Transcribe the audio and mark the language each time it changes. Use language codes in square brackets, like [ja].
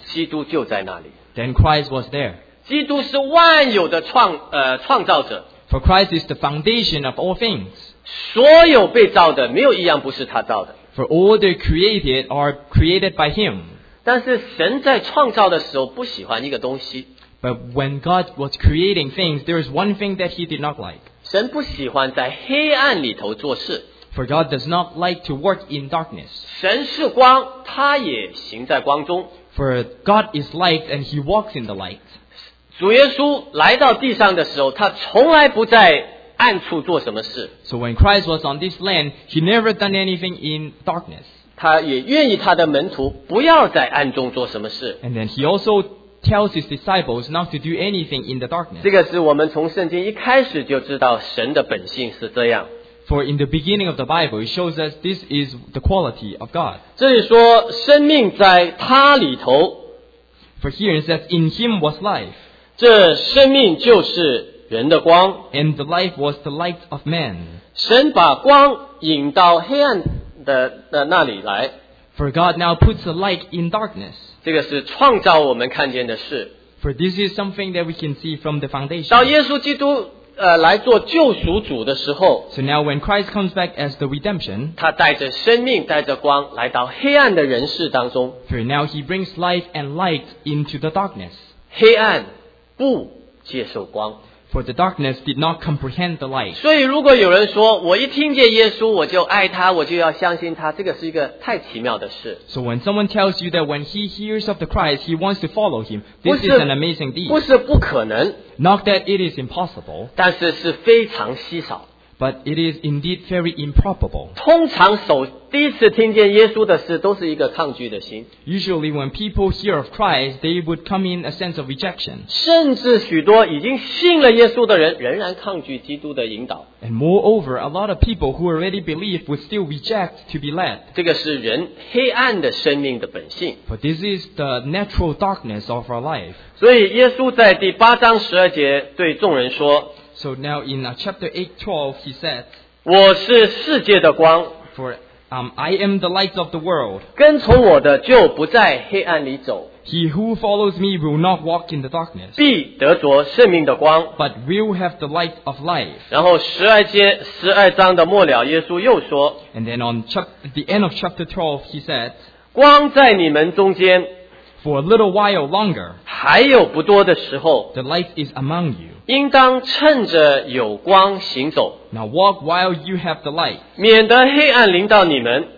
[zh] 基督就在那里。 [en] Then Christ was there. [zh] 基督是万有的创造者。 [en] For Christ is the foundation of all things. [zh] 所有被造的没有一样不是他造的。 [en] For all the created are created by him. [zh] 但是神在创造的时候不喜欢一个东西。 [en] But when God was creating things, there is one thing that he did not like. [zh] 神不喜欢在黑暗里头做事。 [en] For God does not like to work in darkness. [zh] 神是光，他也行在光中。 [en] For God is light and he walks in the light. [zh] 主耶稣来到地上的时候，他从来不在暗处做什么事。 [en] So when Christ was on this land, he never done anything in darkness. [zh] 他也愿意他的门徒不要在暗中做什么事。 [en] And then he also tells his disciples not to do anything in the darkness. [zh] 这个是我们从圣经一开始就知道神的本性是这样。 [en] For in the beginning of the Bible, it shows us this is the quality of God. [zh] 这里说生命在他里头。 [en] For here it says, in him was life. [zh] 这生命就是人的光。 [en] And the life was the light of man. [zh] 神把光引到黑暗的那里来。 [en] For God now puts the light in darkness. [zh] 这个是创造我们看见的事。 [en] For this is something that we can see from the foundation. [zh] 到耶稣基督来做救赎主的时候， [en] so now when Christ comes back as the redemption, [zh] 他带着生命带着光来到黑暗的人世当中。 [en] For now he brings life and light into the darkness. [zh] 黑暗不接受光。 [en] For the darkness did not comprehend the light. [zh] 所以如果有人说我一听见耶稣我就爱他我就要相信他，这个是一个太奇妙的事。 [en] So when someone tells you that when he hears of the Christ he wants to follow him, this is an amazing deed. [zh] 不是不可能， [en] Not that it is impossible, [zh] 但是是非常稀少。 [en] But it is indeed very improbable. [zh] 通常首第一次听见耶稣的事都是一个抗拒的心。 [en] Usually when people hear of Christ, they would come in a sense of rejection. [zh] 甚至许多已经信了耶稣的人仍然抗拒基督的引导。 [en] And moreover, a lot of people who already believe would still reject to be led. [zh] 这个是人黑暗的生命的本性。 [en] But this is the natural darkness of our life. [zh] 所以耶稣在第八章十二节对众人说， [en] So now in chapter 8:12 he said, [zh] 我是世界的光。 [en] For I am the light of the world. [zh] 跟从我的就不在黑暗里走。 [en] He who follows me will not walk in the darkness. [zh] 必得着生命的光。 [en] But will have the light of life. [zh] 然后十二节十二章的末了，耶稣又说， [en] And then on the end of chapter 12, he said, [zh] 光在你们中间。 [en] For a little while longer, [zh] 还有不多的时候， [en] the light is among you. [zh] 应当趁着有光行走。 [en] Now walk while you have the light. [zh] 免得黑暗临到你们。